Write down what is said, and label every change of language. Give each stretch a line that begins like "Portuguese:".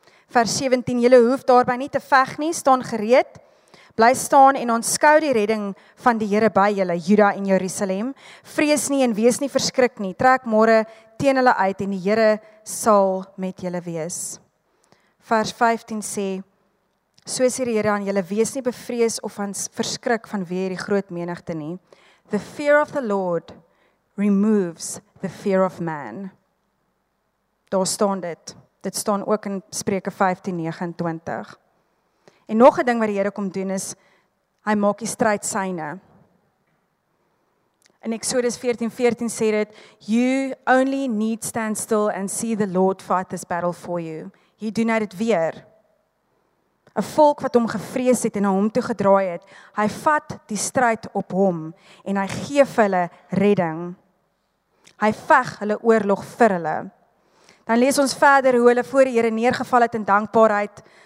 Afrikaans: Vers 17, julle hoef daarby nie te veg nie, staan gereed, bly staan en aanskou die redding van die Here by julle, Juda en Jerusalem. Vrees nie en wees nie verskrik nie, trek môre teen hulle uit en die Here sal met julle wees. Vers 15 sê, so sê die Here aan julle, wees nie bevrees of verskrik vanweë hierdie groot menigte nie.
English: The fear of the Lord removes the fear of man.
Afrikaans: Daar staan dit. Dit staan ook in Spreuke 15:29. En nog 'n ding wat die Here kom doen is, hy maak die stryd syne. In Exodus 14:14 sê dit,
English: you only need stand still and see the Lord fight this battle for you.
Afrikaans: Hier doen hy dit weer. 'N Volk wat hom gevrees het en na hom toe gedraai het, hy vat die stryd op hom en hy gee vir hulle redding. Hy veg hulle oorlog vir hulle. Dan lees ons verder hoe hulle voor die Here neergeval het in dankbaarheid.